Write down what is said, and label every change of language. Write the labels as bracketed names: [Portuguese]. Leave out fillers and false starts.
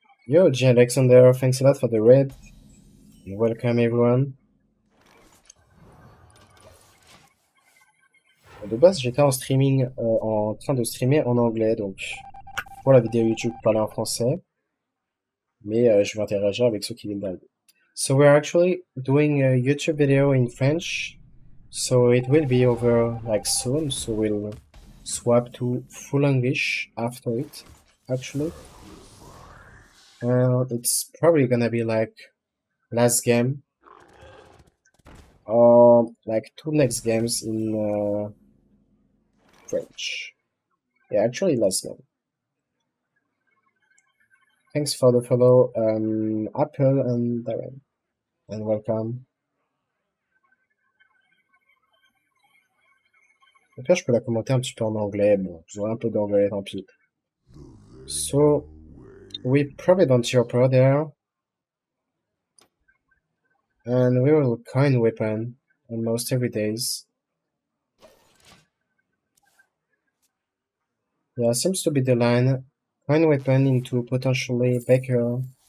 [English] Yo, G. Alexander, thanks a lot for the raid. Welcome everyone. [French] De base, j'étais en streaming, en train de streamer en anglais, donc pour la vidéo YouTube, parler en français. Mais je vais interagir avec ceux qui viennent d'arriver. [English] So we're actually doing a YouTube video in French. So it will be over like soon. So we'll swap to full English after it, actually. It's probably gonna be like last game. Or like two next games in French. Yeah, actually last game. Thanks for the follow, Apple and Darren. And welcome. [French] Après, je peux la commenter un petit peu en anglais. Bon, je vois un peu d'anglais, tant pis. [English] So, we probably don't see your brother there. And we will coin weapon almost every days. Yeah, seems to be the line. Coin weapon into potentially Baker